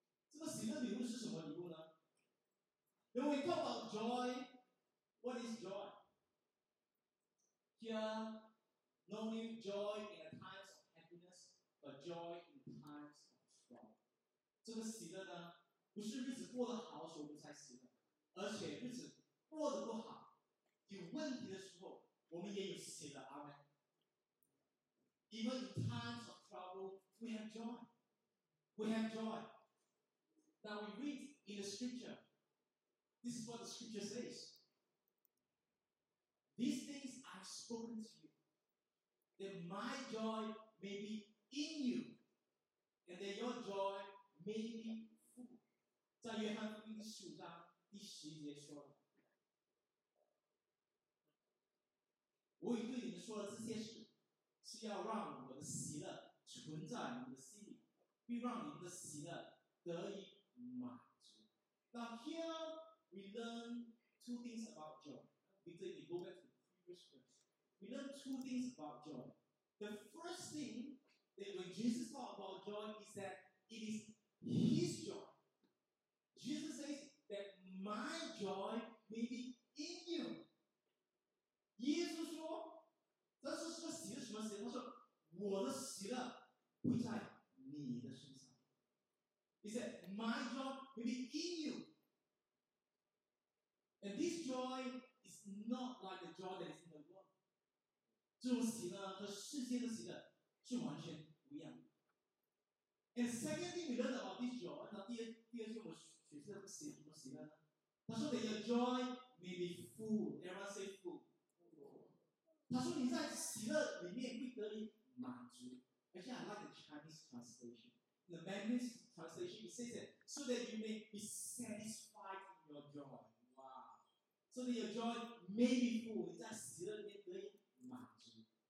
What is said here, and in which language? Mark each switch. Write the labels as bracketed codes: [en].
[zh] 这个喜乐礼物是什么礼物呢？ [en] When we talk about joy, what is joy? Here, no new joy in the times of happiness, but joy in times of trouble. [zh] 这个喜乐呢，不是日子过得好的时候我们才喜乐，而且日子过得不好，有问题的时候，我们也有喜乐。 [en] 阿们。Even in times of trouble, we have joy. We have joy. Now we read in the scripture, this is what the scripture says. These things I've spoken to you, that my joy may be in you, and that your joy may be full. [zh] 在约翰福音十五章第十一节说了，我已对你们说了这些事，是要让我的喜乐存在你们的心里，并让你们的喜乐得以满足。 [en] Now here we learn two things about joy. We go back to the previous verse. We learn two things about joy. The first thing that when Jesus talks about joy is that it is His joy. Jesus says that my joy may be in you. [zh] 耶稣说，这是个喜乐什么喜乐？他说，我的喜乐会在你的身上。 [en] He said, my joy will be in you. And this joy is not like the joy that is in the world. [zh] 这种喜乐和世界的喜乐是完全不一样的。 [en] And second thing we learned about this joy, [zh] 那第二句我学习的是什么喜乐呢？他说 [en] that your joy may be full. Everyone say full. [zh] 他说你在喜乐里面会得以满足。 [en] Actually, I like the Chinese translation. The Mandarin translation says that so that you may be satisfied in your joy. Wow. So that your joy may be full. [zh] 你在喜乐里面得以满足。